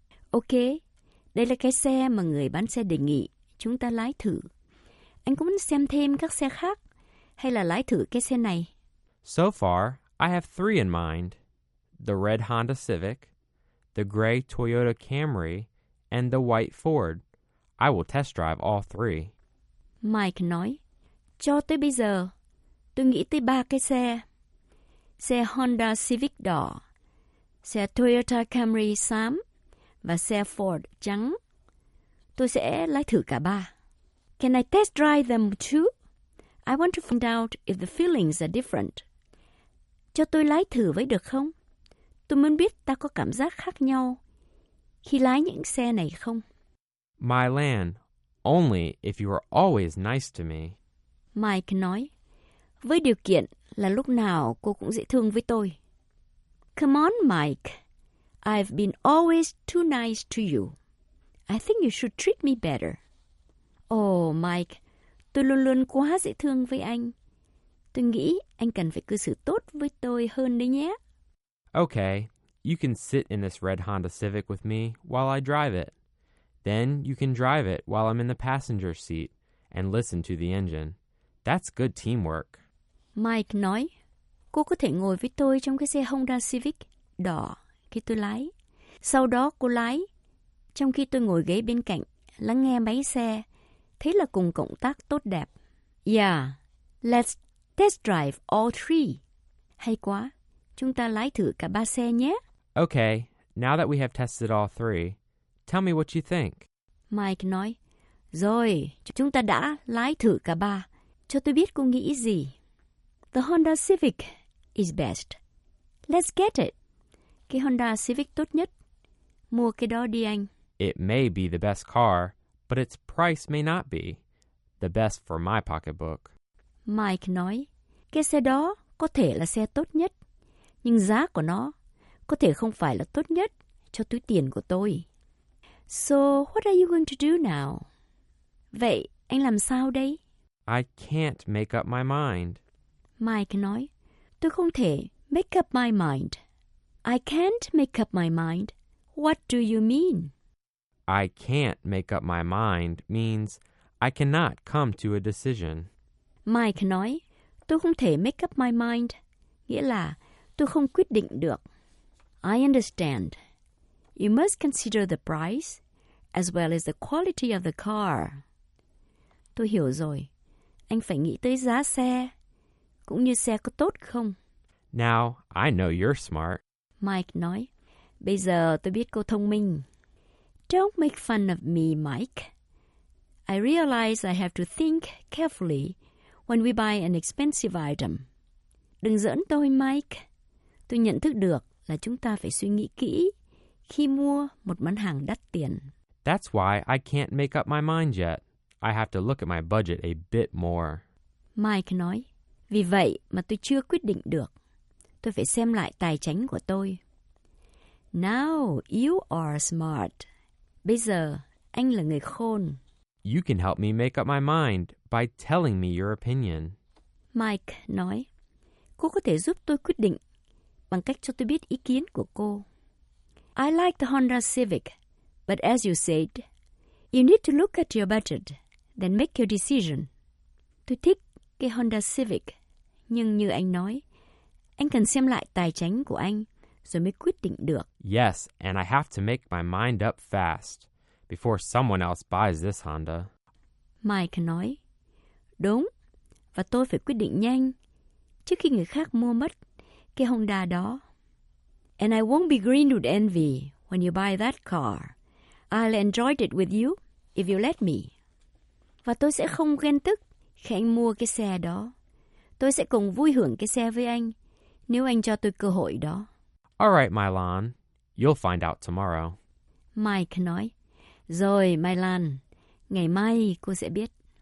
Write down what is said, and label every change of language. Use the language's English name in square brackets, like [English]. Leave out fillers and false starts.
[Vietnamese] Okay, đây là cái xe mà người bán xe đề nghị chúng ta lái thử. Anh có muốn xem thêm các xe khác hay là lái thử cái xe này? [English] So far, I have three in mind. The red Honda Civic, the gray Toyota Camry, and the white Ford. I will test drive all three. [Vietnamese] Mike nói, cho tới bây giờ, tôi nghĩ tới ba cái xe. Xe Honda Civic đỏ, xe Toyota Camry xám, và xe Ford trắng. Tôi sẽ lái thử cả ba. [English] Can I test drive them too? I want to find out if the feelings are different. [Vietnamese] Cho tôi lái thử với được không? Tôi muốn biết ta có cảm giác khác nhau khi lái những xe này không? [English] My Lan, only if you were always nice to me. [Vietnamese] Mike nói, với điều kiện là lúc nào cô cũng dễ thương với tôi. [English] Come on, Mike. I've been always too nice to you. I think you should treat me better. [Vietnamese] Oh, Mike, tôi luôn luôn quá dễ thương với anh. Tôi nghĩ anh cần phải cư xử tốt với tôi hơn đấy nhé. [English] Okay, you can sit in this red Honda Civic with me while I drive it. Then you can drive it while I'm in the passenger seat and listen to the engine. That's good teamwork. [Vietnamese] Mike nói, cô có thể ngồi với tôi trong cái xe Honda Civic đỏ khi tôi lái. Sau đó cô lái, trong khi tôi ngồi ghế bên cạnh, lắng nghe máy xe. Thế là cùng cộng tác tốt đẹp. [English] Yeah, let's test drive all three. [Vietnamese] Hay quá, chúng ta lái thử cả ba xe nhé. [English] Okay, now that we have tested all three, tell me what you think. [Vietnamese] Mike nói, rồi, chúng ta đã lái thử cả ba. Cho tôi biết cô nghĩ gì. [English] The Honda Civic is best. Let's get it. [Vietnamese] Cái Honda Civic tốt nhất. Mua cái đó đi anh. [English] It may be the best car, but its price may not be the best for my pocketbook. [Vietnamese] Mike nói, cái xe đó có thể là xe tốt nhất, nhưng giá của nó có thể không phải là tốt nhất cho túi tiền của tôi. [English] So, what are you going to do now? [Vietnamese] Vậy, anh làm sao đây? [English] I can't make up my mind. [Vietnamese] Mike nói, tôi không thể [English] make up my mind. I can't make up my mind. What do you mean? I can't make up my mind means I cannot come to a decision. [Vietnamese] Mike nói, tôi không thể [English] make up my mind, [Vietnamese] nghĩa là tôi không quyết định được. [English] I understand. You must consider the price as well as the quality of the car. [Vietnamese] Tôi hiểu rồi. Anh phải nghĩ tới giá xe, cũng như xe có tốt không. [English] Now, I know you're smart. [Vietnamese] Mike nói, bây giờ tôi biết cô thông minh. [English] Don't make fun of me, Mike. I realize I have to think carefully when we buy an expensive item. [Vietnamese] Đừng giỡn tôi, Mike. Tôi nhận thức được là chúng ta phải suy nghĩ kỹ khi mua một món hàng đắt tiền. [English] That's why I can't make up my mind yet. I have to look at my budget a bit more. [Vietnamese] Mike nói, vì vậy mà tôi chưa quyết định được. Tôi phải xem lại tài chính của tôi. [English] Now you are smart. [Vietnamese] Bây giờ, anh là người khôn. [English] You can help me make up my mind by telling me your opinion. [Vietnamese] Mike nói, cô có thể giúp tôi quyết định bằng cách cho tôi biết ý kiến của cô. [English] I like the Honda Civic, but as you said, you need to look at your budget, then make your decision. [Vietnamese] Tôi thích cái Honda Civic, nhưng như anh nói, anh cần xem lại tài chính của anh. Rồi mới quyết định được. [English] Yes, and I have to make my mind up fast before someone else buys this Honda. [Vietnamese] Mike nói, đúng, và tôi phải quyết định nhanh trước khi người khác mua mất cái Honda đó. [English] And I won't be green with envy when you buy that car. I'll enjoy it with you if you let me. [Vietnamese] Và tôi sẽ không ghen tức khi anh mua cái xe đó. Tôi sẽ cùng vui hưởng cái xe với anh nếu anh cho tôi cơ hội đó. [English] All right, Mylan. You'll find out tomorrow. [Vietnamese] Mike nói, rồi, Mylan, ngày mai cô sẽ biết.